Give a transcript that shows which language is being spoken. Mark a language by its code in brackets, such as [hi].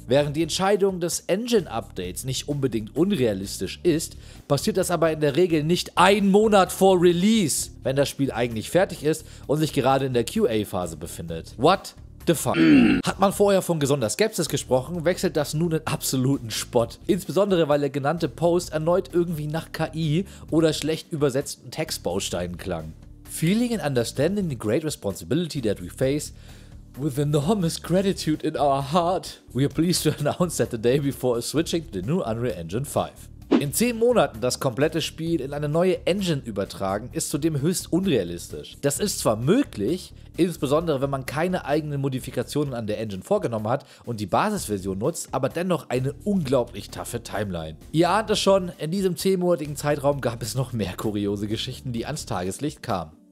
[de] Während die Entscheidung des Engine-Updates nicht unbedingt unrealistisch ist, passiert das aber in der Regel nicht ein Monat vor Release, wenn das Spiel eigentlich fertig ist und sich gerade in der QA-Phase befindet. [en] What the fuck? [de] Hat man vorher von gesunder Skepsis gesprochen, wechselt das nun in absoluten Spott. Insbesondere, weil der genannte Post erneut irgendwie nach KI oder schlecht übersetzten Textbausteinen klang. [en] Feeling and understanding the great responsibility that we face, with enormous gratitude in our heart, we are pleased to announce that The Day Before is switching to the new Unreal Engine 5. [de] In 10 Monaten das komplette Spiel in eine neue Engine übertragen, ist zudem höchst unrealistisch. Das ist zwar möglich, insbesondere wenn man keine eigenen Modifikationen an der Engine vorgenommen hat und die Basisversion nutzt, aber dennoch eine unglaublich taffe Timeline. Ihr ahnt es schon, in diesem 10-monatigen Zeitraum gab es noch mehr kuriose Geschichten, die ans Tageslicht kamen.